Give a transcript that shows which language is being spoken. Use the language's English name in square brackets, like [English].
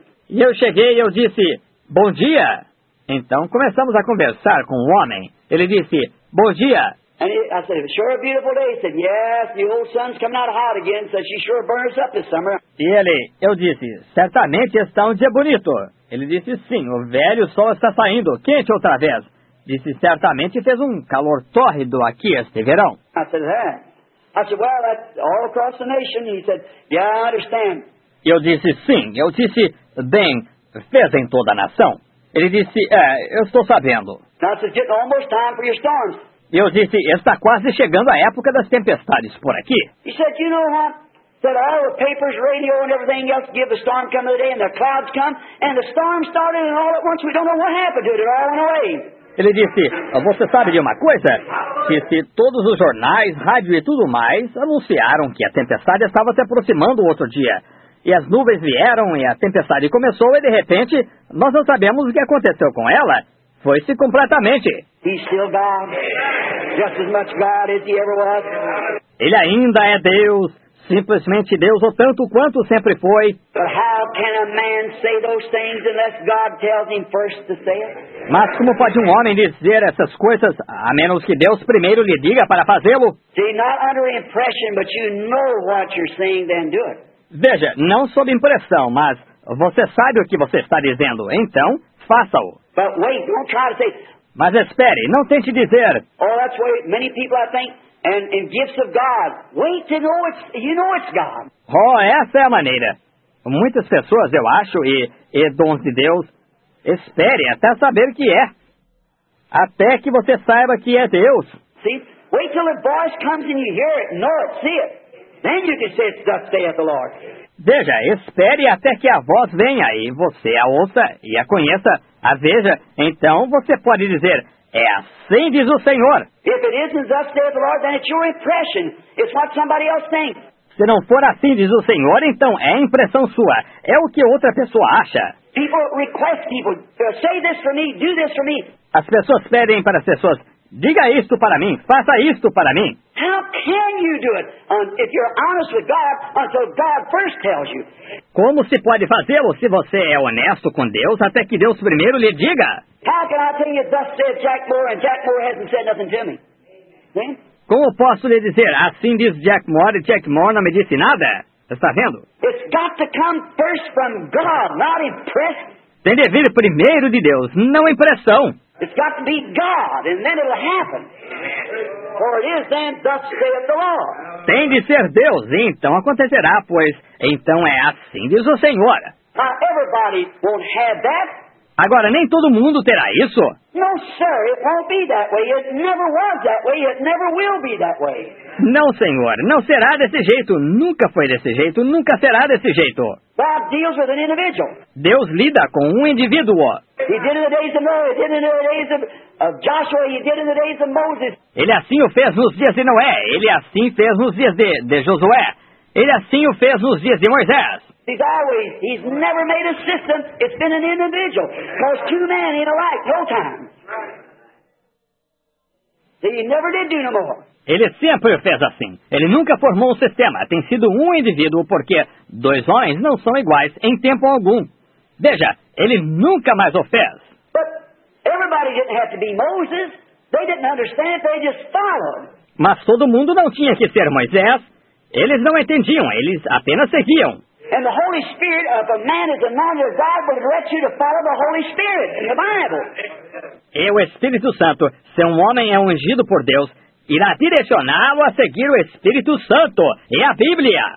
[Portuguese] E eu cheguei e eu disse, bom dia. Então começamos a conversar com o homem. Ele disse, bom dia. [English] And I said, sure a beautiful day. He said, yes, the old sun's coming out hot again, so she sure burns up this summer. [Portuguese] E ele, eu disse, certamente está um dia bonito. Ele disse, sim, o velho sol está saindo, quente outra vez. Disse, certamente fez um calor tórrido aqui este verão. [English] I said, hey. I said, well, that's all across the nation. He said, yeah, I understand. [Portuguese] Eu disse, sim. Eu disse, bem, fez em toda a nação. Ele disse, é, eu estou sabendo. [English] Now, it's getting almost time for your storms. [Portuguese] Eu disse, está quase chegando a época das tempestades por aqui. [English] He said, you know what? That all the papers, radio, and everything else give the storm coming today, and the clouds come, and the storm started, and all at once we don't know what happened to it. It all went away. [Portuguese] Ele disse, você sabe de uma coisa? Disse, todos os jornais, rádio e tudo mais anunciaram que a tempestade estava se aproximando outro dia. E as nuvens vieram e a tempestade começou e, de repente, nós não sabemos o que aconteceu com ela. Foi-se completamente. [English] He's still God, just as much God as he ever was. [Portuguese] Ele ainda é Deus, simplesmente Deus, o tanto quanto sempre foi. [English] But how can a man say those things unless God tells him first to say it? [Portuguese] Mas como pode um homem dizer essas coisas, a menos que Deus primeiro lhe diga para fazê-lo? [English] See, not under impression, but you know what you're saying, then do it. [Portuguese] Veja, não sob impressão, mas você sabe o que você está dizendo, então faça-o. [English] But wait, don't try to say... [Portuguese] Mas espere, não tente dizer. [English] Oh, that's what many people I think, and gifts of God. Wait to know it's, you know it's God. [Portuguese] Oh, essa é a maneira. Muitas pessoas, eu acho, e dons de Deus, espere até saber que é. Até que você saiba que é Deus. [English] See, wait till the voice comes and you hear it, know it, see it. Then you can say, thus saith the Lord. [Portuguese] Veja, espere até que a voz venha e você a ouça e a conheça, a veja. Então você pode dizer, é assim diz o Senhor. [English] If it isn't thus saith the Lord, then it's your impression. It's what somebody else thinks. [Portuguese] Se não for assim diz o Senhor, então é impressão sua. É o que outra pessoa acha. [English] People request people, say this for me, do this for me. [Portuguese] As pessoas pedem para as pessoas, diga isto para mim, faça isto para mim. [English] How can you do it if you're honest with God until God first tells you? [Portuguese] Como se pode fazê-lo se você é honesto com Deus até que Deus primeiro lhe diga? [English] How can I tell you thus said Jack Moore and Jack Moore hasn't said nothing to me? Then? [Portuguese] Como posso lhe dizer, assim diz Jack Moore e Jack Moore não me disse nada? Está vendo? [English] It's got to come first from God, not impressed. [Portuguese] Tem de vir primeiro de Deus, não impressão. [English] It's got to be God, and then it'll happen. For it is then thus saith the Lord. [Portuguese] Tem de ser Deus, então acontecerá, pois então é assim diz o Senhor. [English] Now, everybody won't have that. [Portuguese] Agora, nem todo mundo terá isso. [English] No, sir, it won't be that way. It never was that way. It never will be that way. [Portuguese] Não, Senhor, não será desse jeito. Nunca foi desse jeito. Nunca será desse jeito. [English] God deals with an individual. [Portuguese] Deus lida com um indivíduo. [English] He did it in the days of Noah. He did it in the days of Joshua. He did it in the days of Moses. [Portuguese] Ele assim o fez nos dias de Noé. Ele assim fez nos dias de Josué. Ele assim o fez nos dias de Moisés. [English] He's always, he's never made a system, it's been an individual. Because two men ain't alike, no time. See, he never did do no more. [Portuguese] Ele sempre fez assim. Ele nunca formou um sistema. Tem sido um indivíduo porque dois homens não são iguais em tempo algum. Veja, ele nunca mais o fez. [English] But everybody didn't have to be Moses. They didn't understand, they just followed. [Portuguese] Mas todo mundo não tinha que ser Moisés. Eles não entendiam, eles apenas seguiam. [English] And the Holy Spirit of a man is anointed of God will direct you to follow the Holy Spirit in the Bible. [Portuguese] E o Espírito Santo, se um homem é ungido por Deus, irá direcioná-lo a seguir o Espírito Santo e a Bíblia.